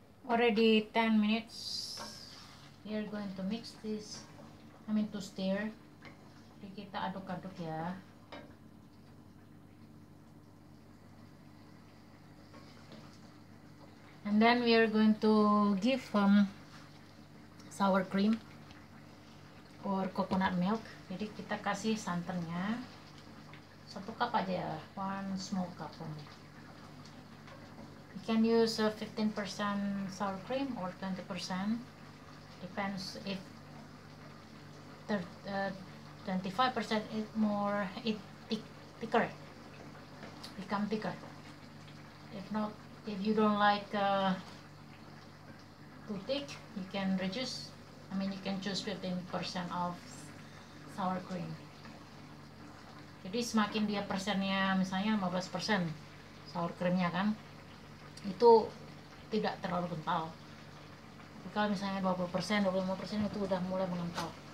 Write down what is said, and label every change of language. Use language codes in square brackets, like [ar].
[en] Already 10 minutes. We are going to mix this. I mean to stir. [id] Jadi kita aduk-aduk ya. [en] And then we are going to give sour cream or coconut milk. [id] Jadi kita kasih santannya. [en] 1 cup [id] aja ya, [en] 1 small cup only. You can use 15% sour cream or 20%. Depends if 25% is more, it thicker. Become thicker. If not, if you don't like too thick, you can choose 15% of sour cream. [id] Jadi semakin dia persennya misalnya 15% sour creamnya kan, itu tidak terlalu kental. Tapi kalau misalnya 20%, 25% itu udah mulai mengental.